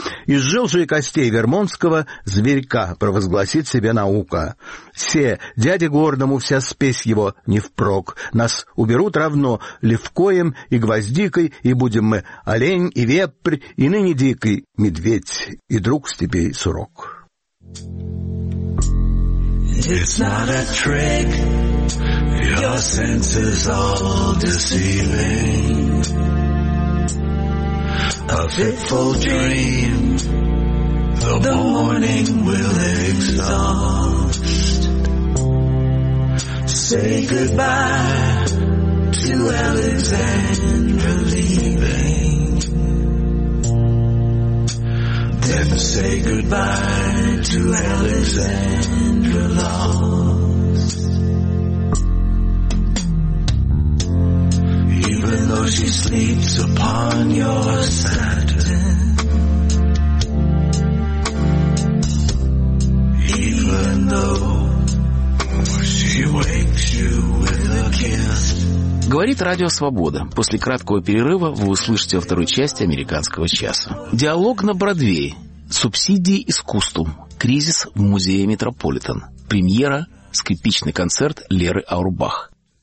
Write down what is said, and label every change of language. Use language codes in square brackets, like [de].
[ru] Из жилжей костей вермонтского зверька провозгласит себе наука. Все, дяде гордому вся спесь его не впрок. Нас уберут равно левкоем и гвоздикой, и будем мы олень и вепрь, и ныне дикой медведь, и друг степей сурок. [en] It's not a trick, your senses all deceiving. A fitful dream, the morning will exhaust. Say goodbye to Alexandra leaving. Then say goodbye to Alexandra lost. Even though she sleeps upon your satin, even though she wakes you with a kiss. [ru] Говорит Радио Свобода. После краткого перерыва вы услышите во второй части «Американского часа». Диалог на Бродвее. Субсидии искусству. Кризис в музее «Метрополитен». Премьера. Скрипичный концерт Леры Аурбах.